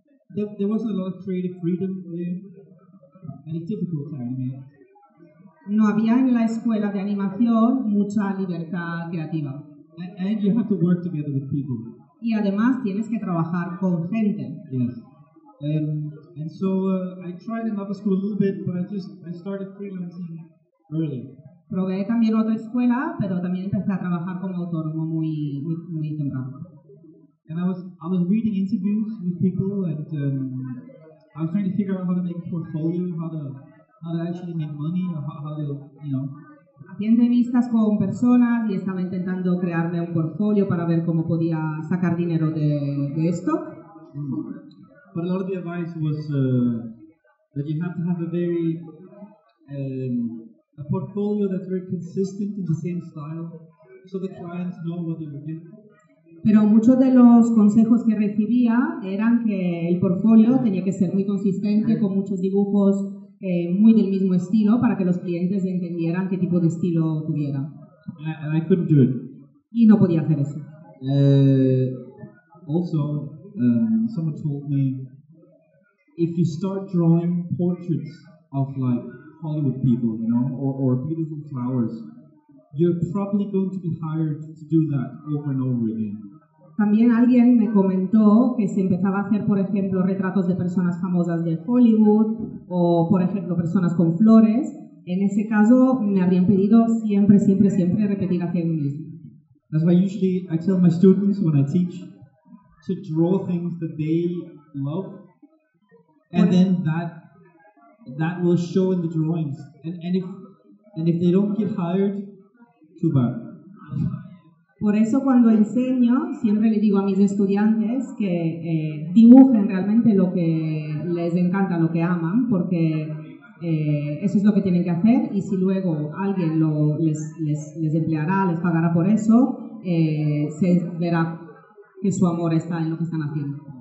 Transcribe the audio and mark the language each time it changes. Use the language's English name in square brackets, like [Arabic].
[English] There was a lot of creative freedom there, and it's difficult to animate. [Spanish] No había en la escuela de animación mucha libertad creativa. [English] And you have to work together with people. [Spanish] Y además tienes que trabajar con gente. [English] Yes. And so I tried another school a little bit, but I started freelancing early. [Spanish] Probé también otra escuela, pero también empecé a trabajar como autónomo muy temprano. [English] And I was reading interviews with people, and I was trying to figure out how to make a portfolio, how to actually make money, or how to, [Spanish] Hacía entrevistas con personas y estaba intentando crearme un portfolio para ver cómo podía sacar dinero de esto. [English] But a lot of the advice was that you have to have a portfolio that's very consistent in the same style, so the clients know what they're getting. [Spanish] Pero muchos de los consejos que recibía eran que el portfolio tenía que ser muy consistente, con muchos dibujos muy del mismo estilo, para que los clientes entendieran qué tipo de estilo tuviera. [English] And I couldn't do it. [Spanish] Y no podía hacer eso. [English] Someone told me, if you start drawing portraits of like Hollywood people, or beautiful flowers, you're probably going to be hired to do that over and over again. [Spanish] También alguien me comentó que si empezaba a hacer, por ejemplo, retratos de personas famosas de Hollywood o, por ejemplo, personas con flores, en ese caso me habrían pedido siempre, siempre, siempre repetir hacia mí mismo. [English] That's why usually I tell my students when I teach to draw things that they love, and then that will show in the drawings. And if they don't get hired, too bad. [Spanish] Por eso cuando enseño, siempre le digo a mis estudiantes que dibujen realmente lo que les encanta, lo que aman, porque eso es lo que tienen que hacer, y si luego alguien les empleará, les pagará por eso, se verá que su amor está en lo que están haciendo.